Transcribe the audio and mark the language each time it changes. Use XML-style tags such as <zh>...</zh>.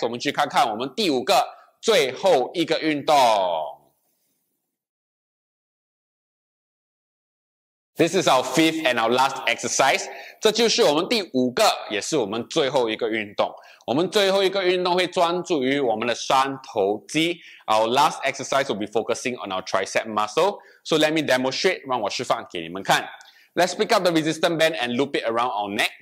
<zh>我们去看看我们第五个最后一个运动。</zh> <en>This is our fifth and our last exercise.</en> <zh>这就是我们第五个也是我们最后一个运动。我们最后一个运动会专注于我们的三头肌。</zh> <en>Our last exercise will be focusing on our tricep muscle. So let me demonstrate,</en> <zh>让我示范给你们看。</zh> <en>Let's pick up the resistance band and loop it around our neck.</en>